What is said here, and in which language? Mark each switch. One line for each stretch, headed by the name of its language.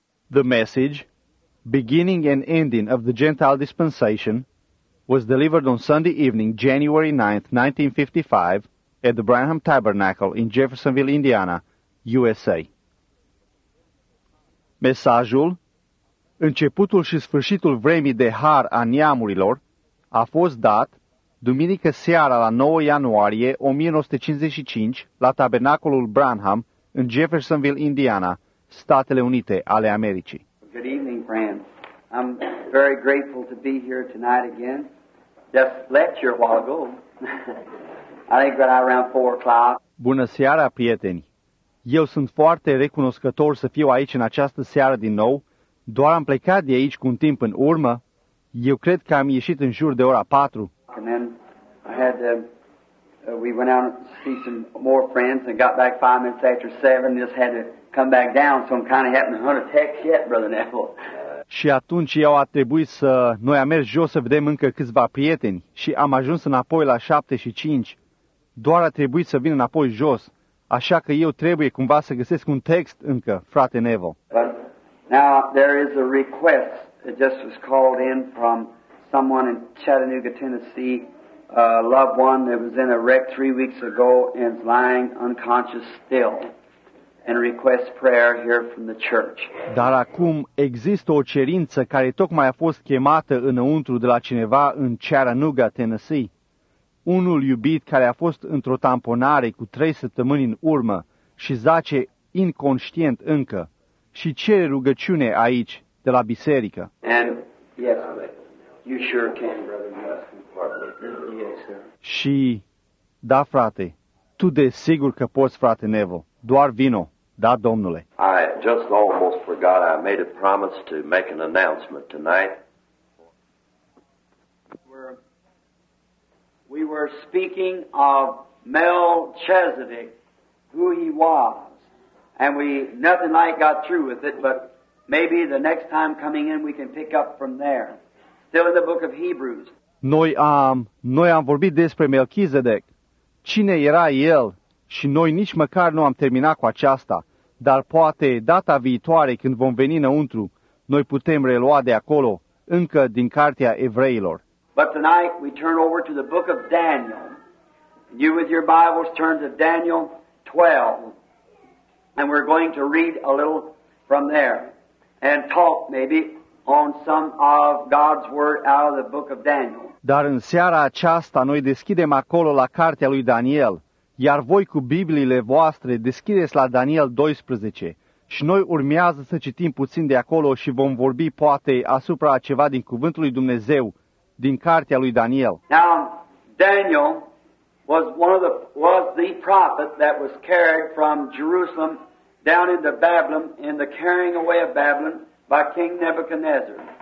English: The message, beginning and ending of the Gentile dispensation, was delivered on Sunday evening, January 9, 1955, at the Branham Tabernacle in Jeffersonville, Indiana, USA.
Romanian: Mesajul, începutul și sfârșitul vremii de har a neamurilor, a fost dat duminică seara la 9 ianuarie 1955 la Tabernacolul Branham în Jeffersonville, Indiana, Statele Unite ale Americii.
English: Good evening, friends. I'm very grateful to be here tonight again. Just lecture a while ago. I think right around 4 o'clock.
Romanian: Bună seara, prieteni. Eu sunt foarte recunoscător să fiu aici în această seară din nou. Doar am plecat de aici cu un timp în urmă. Eu cred că am ieșit în jur de ora 4.
English: And then I had we went out to see some more friends and got back 5 minutes after 7. Just had to come back down, so I'm kind of having a hunt of text yet, Brother Neville.
Romanian: Și atunci eu a trebuit să noi am mers jos să vedem încă câțiva prieteni și am ajuns înapoi la 7:05. Doar a trebuit să vin înapoi jos, așa că eu trebuie cumva să găsesc un text încă, frate Neville.
English: But now there is a request that just was called in from someone in Chattanooga, Tennessee, a loved one that was in a wreck 3 weeks ago and is lying unconscious still. And request prayer here from the church.
Romanian: Dar acum există o cerință care tocmai a fost chemată înăuntru de la cineva în Chattanooga, Tennessee. Unul iubit care a fost într-o tamponare cu 3 săptămâni în urmă și zace inconștient încă și cere rugăciune aici de la biserică.
English: And yes, you sure can, brother. Yes, sir.
Romanian: Și da, frate, tu de sigur că poți, frate Neville. Doar vino. Da, Domnule.
English: I just almost forgot. I made a promise to make an announcement tonight. We were speaking of Melchizedek, who he was, and we nothing like got through with it, but maybe the next time coming in we can pick up from there. Still in the book of Hebrews.
Romanian: Noi am vorbit despre Melchizedek. Cine era el? Și noi nici măcar nu am terminat cu aceasta, dar poate data viitoare când vom veni înăuntru, noi putem relua de acolo, încă din cartea evreilor.
English: But tonight we turn over to the book of Daniel. You with your Bibles turn to Daniel 12. And we're going to read a little from there and talk maybe on some of God's word out of the book of Daniel.
Romanian: Dar în seara aceasta noi deschidem acolo la cartea lui Daniel. Iar voi cu Bibliile voastre deschideți la Daniel 12 și noi urmează să citim puțin de acolo și vom vorbi poate asupra ceva din cuvântul lui Dumnezeu, din cartea lui Daniel.
English: Now, Daniel was the prophet that was carried from Jerusalem down into Babylon in the carrying away of Babylon by King Nebuchadnezzar.